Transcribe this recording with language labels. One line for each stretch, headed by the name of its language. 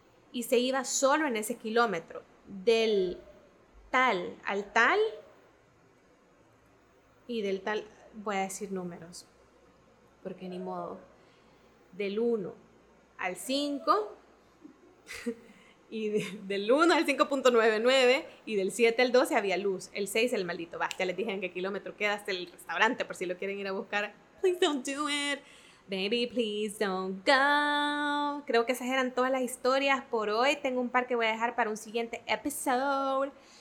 Spanish: Y se iba solo en ese kilómetro, del tal al tal, y del tal, voy a decir números, porque ni modo, del 1 al 5, y del 1 al 5.99 y del 7 al 12 había luz. El 6 el maldito, va, ya les dije en qué kilómetro queda hasta el restaurante por si lo quieren ir a buscar.
English: Please don't do it, baby, please don't go.
Spanish: Creo que esas eran todas las historias por hoy. Tengo un par que voy a dejar para un siguiente episodio.